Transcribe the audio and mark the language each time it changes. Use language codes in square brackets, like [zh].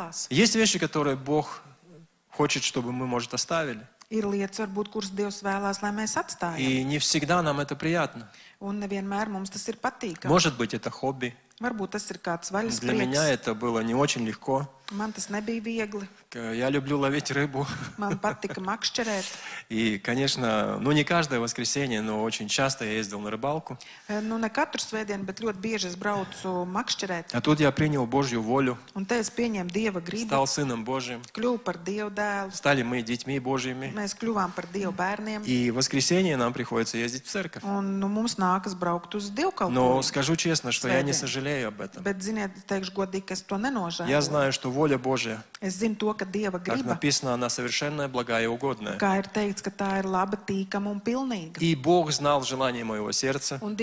[ru] Есть вещи, которые Бог хочет, чтобы мы, может, оставили, [lv] ir lietas, varbūt, kuras Dievs vēlās, lai mēs atstājam. Un nevienmēr mums tas ir patīkami. [ru] Может быть, это хобби. [lv] Varbūt tas ir kāds vaļas [ru] Для меня это было не очень легко. [lv] Man tas nebija viegli. [ru] Я люблю ловить рыбу. [lv] Man patika makšķerēt. [ru] И, конечно, ну не каждое воскресенье, но очень часто я ездил на рыбалку. [lv] Nu ne katru svētdienu, bet ļoti bieži es braucu makšķerēt. [ru] А тут я принял Божью волю. [lv] Un te es pieņēmu Dieva gribu. [ru] Стал сыном Божьим. [lv] Kļuvu par Dievu dēlu. [ru] Стали мы детьми Божьими. [lv] Mēs kļuvām par Dievu bērniem. [ru] И в воскресенье нам приходится ездить в церковь. [lv] Un nu, mums nākas braukt uz divkalpojumu. [ru] Но скажу честно, что я не сожалею об этом. [lv] Bet ziniet, teikšu godīgi, ka es to nenožēlu. [ru] Я знаю, что воля Божья. [lv] Es zinu to, [ru] как написано, она совершенная, благая и угодная. И Бог знал желание моего сердца.